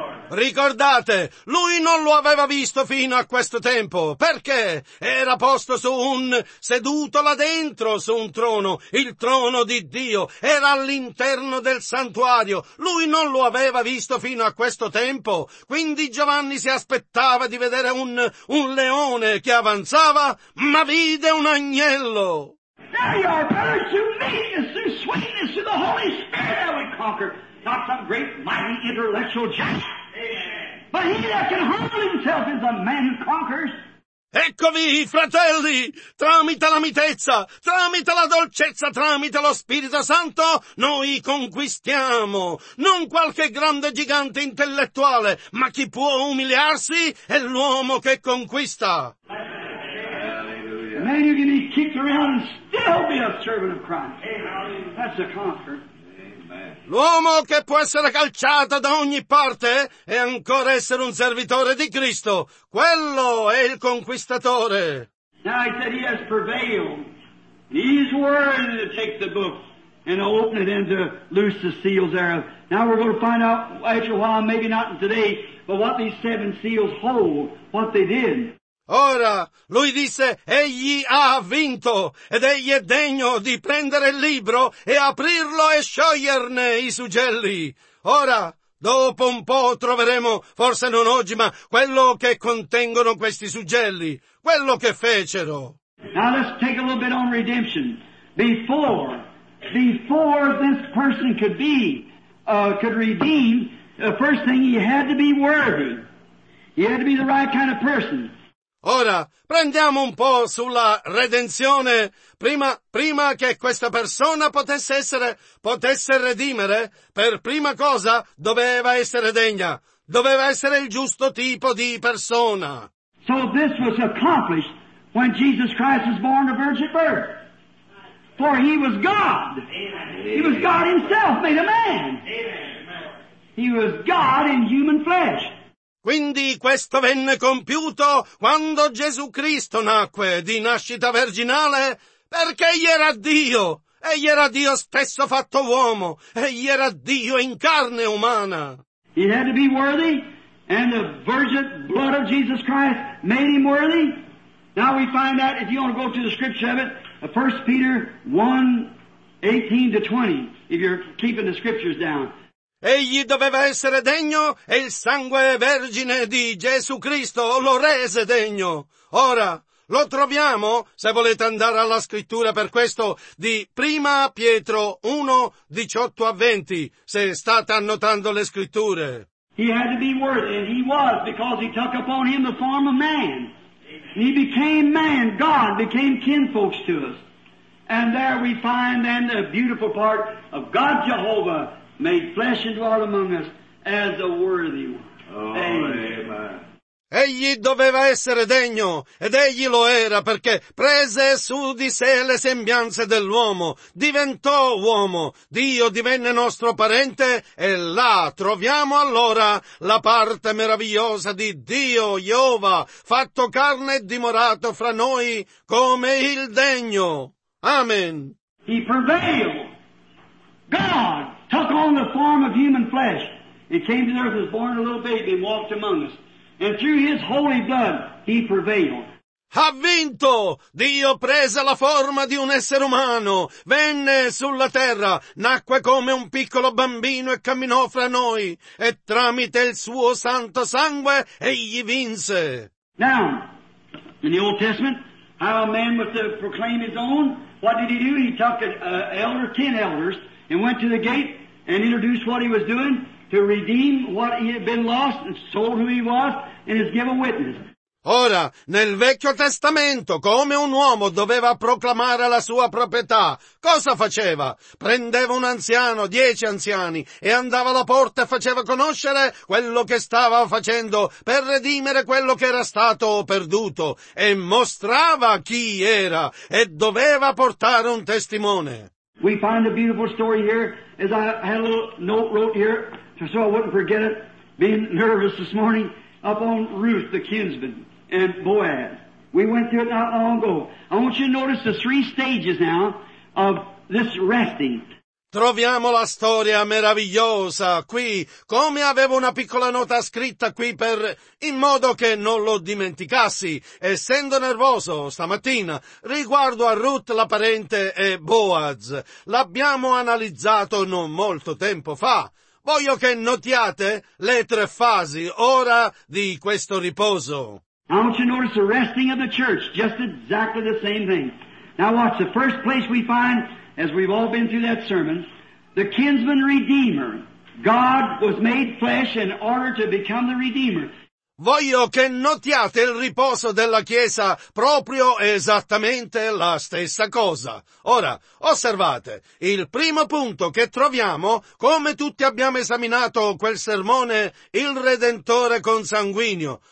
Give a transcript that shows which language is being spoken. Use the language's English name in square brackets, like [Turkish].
[Italian] Ricordate, lui non lo aveva visto fino a questo tempo, perché era posto su un seduto là dentro su un trono, il trono di Dio, era all'interno del santuario, lui non lo aveva visto fino a questo tempo, quindi Giovanni si aspettava di vedere un leone che avanzava, ma vide un agnello. [English] There you are, birds through meekness, through sweetness, through the Holy Spirit that we conquer, not some great mighty intellectual giant. Amen. But he that can humble himself is a man who conquers. [Italian] Eccovi, fratelli, tramite la mitezza, tramite la dolcezza, tramite lo Spirito Santo, noi conquistiamo non qualche grande gigante intellettuale, ma chi può umiliarsi è l'uomo che conquista. [English] A man you can be kicked around and still be a servant of Christ. That's a conqueror. [Italian] L'uomo che può essere calciato da ogni parte e ancora essere un servitore di Cristo, quello è il conquistatore. [English] Now he said he has prevailed. He's worthy to take the book and open it and to loose the seals thereof. Now we're going to find out after a while, maybe not today, but what these seven seals hold, what they did. [Italian] Ora, lui disse, egli ha vinto, ed egli è degno di prendere il libro e aprirlo e scioglierne i sugelli. Ora, dopo un po' troveremo, forse non oggi, ma quello che contengono questi sugelli, quello che fecero. [English] Now let's take a little bit on redemption. Before this person could redeem, the first thing he had to be worthy. He had to be the right kind of person. [Italian] Ora, prendiamo un po' sulla redenzione. Prima che questa persona potesse redimere, per prima cosa doveva essere degna. Doveva essere il giusto tipo di persona. [English] So this was accomplished when Jesus Christ was born a virgin birth. For he was God. He was God himself made a man. He was God in human flesh. [Italian] Quindi questo venne compiuto quando Gesù Cristo nacque di nascita virginale, perché egli era Dio stesso fatto uomo, egli era Dio in carne umana. [English] He had to be worthy, and the virgin blood of Jesus Christ made him worthy. Now we find that, if you want to go to the scripture of it, 1 Peter 1, 18 to 20, if you're keeping the scriptures down. [Italian] Egli doveva essere degno e il sangue vergine di Gesù Cristo lo rese degno. Ora, lo troviamo, se volete andare alla scrittura per questo, di Prima Pietro 1, 18 a 20, se state annotando le scritture. [English] He had to be worthy, and he was, because he took upon him the form of man. He became man, God became kinfolks to us. And there we find then the beautiful part of God Jehovah, made flesh and dwelt among us as a worthy one. Amen. Amen. [Italian] Egli doveva essere degno, ed egli lo era, perché prese su di sé le sembianze dell'uomo, diventò uomo, Dio divenne nostro parente, e là troviamo allora la parte meravigliosa di Dio, Jehovah, fatto carne e dimorato fra noi come il degno. [English] Amen. He prevailed. God took on the form of human flesh and came to the earth, was born a little baby and walked among us. And through his holy blood, he prevailed. [Italian] Ha vinto! Dio prese la forma di un essere umano, venne sulla terra, nacque come un piccolo bambino e camminò fra noi, e tramite il suo santo sangue, egli vinse. [English] Now, in the Old Testament, how a man was to proclaim his own, what did he do? He took ten elders and went to the gate and introduced what he was doing to redeem what he had been lost and sold who he was and has given witness. [Italian] Ora, nel Vecchio Testamento, come un uomo doveva proclamare la sua proprietà, cosa faceva? Prendeva un anziano, 10 anziani, e andava alla porta e faceva conoscere quello che stava facendo per redimere quello che era stato perduto, e mostrava chi era, e doveva portare un testimone. [English] We find a beautiful story here, as I had a little note wrote here, so I wouldn't forget it, being nervous this morning, up on Ruth, the kinsman, and Boaz. We went through it not long ago. I want you to notice the three stages now of this resting. [Italian] Troviamo la storia meravigliosa qui, come avevo una piccola nota scritta qui per, in modo che non lo dimenticassi, essendo nervoso stamattina, riguardo a Ruth la parente e Boaz. L'abbiamo analizzato non molto tempo fa. Voglio che notiate le tre fasi ora di questo riposo. [English] Now don't you notice the resting of the church, just exactly the same thing. Now watch, the first place we find, as we've all been through that sermon, the kinsman redeemer. God was made flesh in order to become the redeemer. [Italian] Voglio che notiate il riposo della Chiesa proprio esattamente la stessa cosa. Ora, osservate, il primo punto che troviamo, come tutti abbiamo esaminato quel sermone, il Redentore consanguigno.